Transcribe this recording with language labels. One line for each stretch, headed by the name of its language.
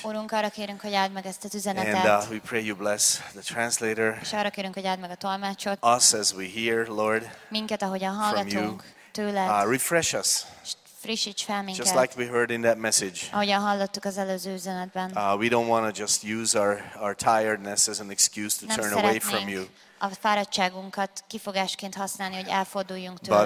Hungarian: Urunk, arra kérünk, hogy áld meg ezt az üzenetet.
English: And we pray you bless the translator.
Hungarian: És arra kérünk, hogy áld meg a tolmácsot.
English: Us as we hear, Lord.
Hungarian: Minket, ahogyan hallgatunk tőled.
English: Refresh us.
Hungarian: frissíts fel minket.
English: Just like we heard in that message.
Hungarian: Ahogyan hallottuk az előző üzenetben.
English: We don't want to just use our tiredness as an excuse to
Hungarian: nem
English: turn away from you.
Hungarian: A fáradtságunkat kifogásként használni, hogy elforduljunk tőled.